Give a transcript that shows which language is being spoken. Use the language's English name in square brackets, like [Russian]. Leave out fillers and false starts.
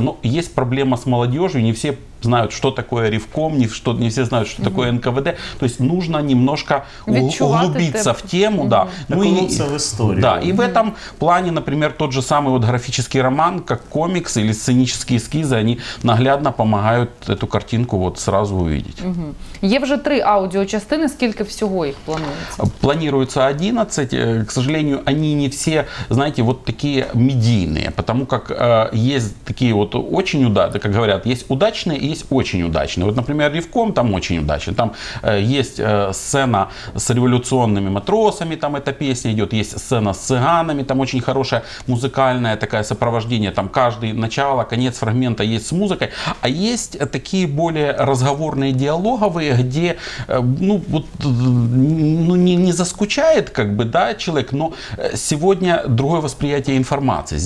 [Russian] Но есть проблема с молодежью, не все знают, что такое ревком, не все знают, что такое НКВД. То есть нужно немножко углубиться в тему, да. Окунуться в историю. Да, и в этом плане, например, тот же самый вот графический роман, как комикс или сценические эскизы, они наглядно помогают эту картинку вот сразу увидеть. [Ukrainian] Є вже три аудіочастини, скільки всього їх планується? [Russian] Планується 11, к сожалению, они не все, знаете, вот такие медийные, потому как есть такие вот очень удачные, как говорят, есть удачные и есть очень удачные. Вот, например, Ревком там очень удачный, там есть сцена с революционными матросами, там эта песня идет, есть сцена с цыганами, там очень хорошее музыкальное такое сопровождение, там каждый начало, конец фрагмента есть с музыкой, а есть такие более разговорные, диалоговые, где, ну, вот, ну, не заскучает, как бы, да, человек, но сегодня другое восприятие информации.